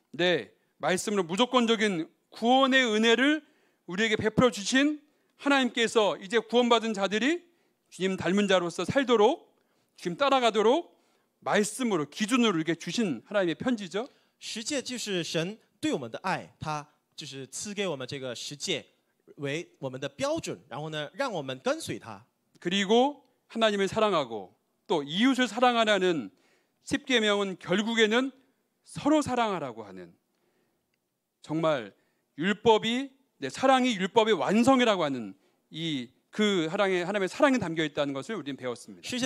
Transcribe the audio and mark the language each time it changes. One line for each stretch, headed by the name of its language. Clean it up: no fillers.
Korean: 네, 말씀으로 무조건적인 구원의 은혜를 우리에게 베풀어 주신 하나님께서 이제 구원받은 자들이 주님 닮은 자로서 살도록 주님 따라가도록 말씀으로 기준으로 이렇게 주신 하나님의 편지죠.
Chinese: 十诫就是神对我们的爱，他 就是赐给我们这个十诫为我们的标准，然后呢，让我们跟随他。
Korean: 그리고 하나님을 사랑하고 또 이웃을 사랑하라는 십계명은 결국에는 서로 사랑하라고 하는 정말 율법이 네, 사랑이 율법의 완성이라고 하는 이 그 사랑에 하나님의 사랑이 담겨 있다는 것을 우리는 배웠습니다.